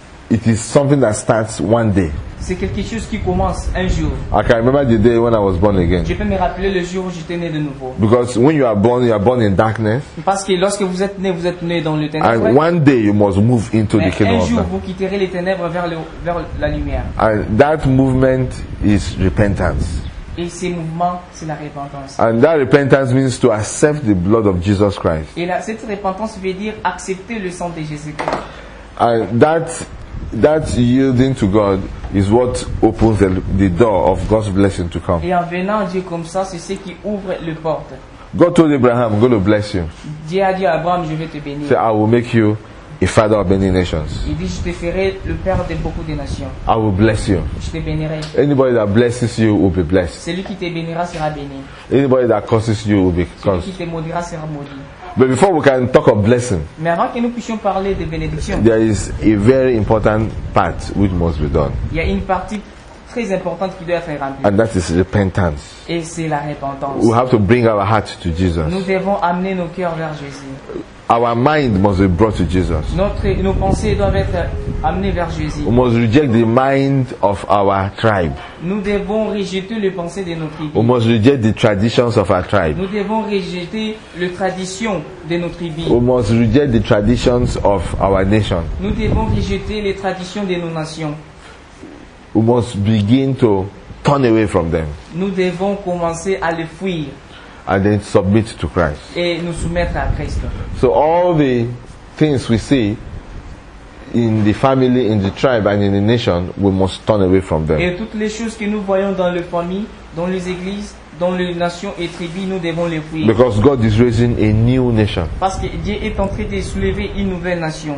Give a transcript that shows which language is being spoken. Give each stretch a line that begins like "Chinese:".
English: It is something that starts one day.
French: C'est quelque chose qui commence un jour.
English: I can remember the day when I was born again.
French: Je peux me rappeler le jour où j'étais né de nouveau.
English: Because when you are born in darkness.
French: Parce que lorsque vous êtes né dans le ténèbres.
English: And one day you must move into
French: Mais
English: the kingdom.
French: Un jour vous quitterez les ténèbres vers la lumière.
English: And that movement is repentance.
French: Et ce mouvement, c'est la repentance.
English: And that repentance means to accept the blood of Jesus Christ.
French: Et là, cette repentance veut dire accepter le sang de Jésus-Christ.
English: And that yielding to God is what opens the door of God's blessing to come.
French: Et en venant à Dieu comme ça, c'est ce qui ouvre le porte.
English: God told Abraham, "I'm going to bless you."
French: Dieu a dit à Abraham, "Je vais te bénir."
English: So I will make you a father of many nations.
French: Il dit, "Je te ferai le père de beaucoup de nations."
English: I will bless you.
French: Je te bénirai.
English: Anybody that blesses you will be blessed.
French: Celui qui te bénira sera béni.
English: Anybody that curses you will be cursed.
French: Celui qui te maudira sera maudit.
English: But before we can talk of blessing,
French: mais avant que nous puissions parler de bénédiction,
English: there is a very important part which must be done.
French: Il y a une partie très importante qui doit être remplie.
English: And that is repentance.
French: Et c'est la repentance.
English: We have to bring our hearts to Jesus.
French: Nous devons amener nos cœurs vers Jésus.
English: Our mind must be brought to Jesus.
French: Nos pensées doivent être amenées vers Jésus.
English: We must reject the mind of our tribe.
French: Nous devons rejeter les pensées de nos tribus.
English: We must reject the traditions of our tribe.
French: Nous devons rejeter les traditions de nos tribus.
English: We must reject the traditions of our nation.
French: Nous devons rejeter les traditions de nos nations.
English: We must begin to turn away from them.
French: Nous devons commencer à les fuir.
English: And then submit to Christ.
French: Et nous soumettre à Christ.
English: So all the things we see in the family, in the tribe, and in the nation, we must turn away from them.
French: Et toutes les choses que nous voyons dans les familles, dans les églises, dans les nations et tribus, nous devons les fuir.
English: Because God is raising a new nation.
French: Parce que Dieu est en train de soulever une nouvelle nation.